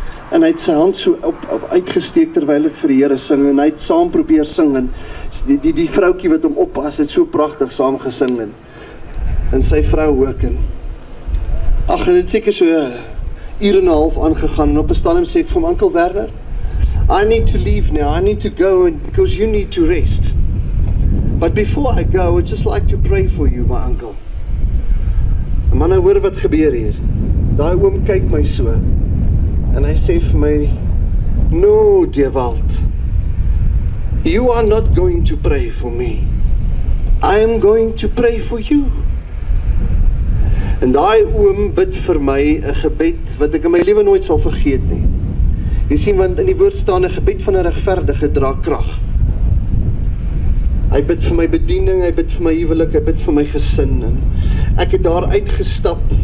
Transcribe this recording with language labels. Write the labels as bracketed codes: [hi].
[af] En hy het sy hand so op uitgesteek terwyl ek vir die Here sing en hy het saam probeer sing en die vroutjie wat hom oppas het so pragtig saam gesing en sy vrou ook en ag, dit het seker so 1 uur en 'n half aangegaan en op 'n stadium sê ek vir my oom Werner, [en] I need to leave now, I need to go because you need to rest. But before I go, I'd just like to pray for you, my uncle. [af] En man, hoor wat gebeur hier. Daai oom kyk my so. En hy sê vir my, no, Dewald. [en] You are not going to pray for me. I am going to pray for you. [af] En daai oom bid vir my 'n gebed wat ek in my lewe nooit sal vergeet nie. Jy sien, want in die woord staan 'n gebed van 'n regverdige dra krag. Hy bid vir my bediening, hy bid vir my huwelik, hy bid vir my gesin. En ek het daar uitgestap